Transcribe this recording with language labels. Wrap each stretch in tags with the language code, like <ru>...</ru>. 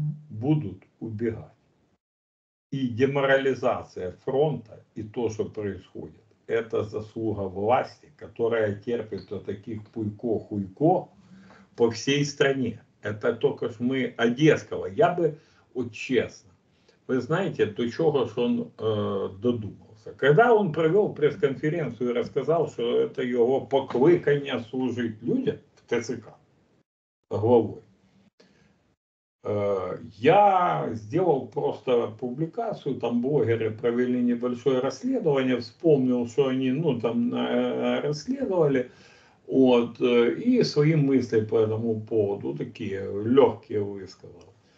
<ru>Будут убегать. И деморализация фронта и то, что происходит, это заслуга власти, которая терпит вот таких пуйко-хуйко по всей стране. Это только ж мы Одесского. Я бы...</ru> <uk>От чесно, ви знаєте, до чого ж він додумався? Маска.</uk> <ru>Когда он провел пресс-конференцию и рассказал, что это его покликание служить людям в ТЦК главой, я сделал просто публикацию, там блогеры провели небольшое расследование, вспомнил, что они расследовали, вот, и свои мысли по этому поводу, такие легкие, высказал.</ru>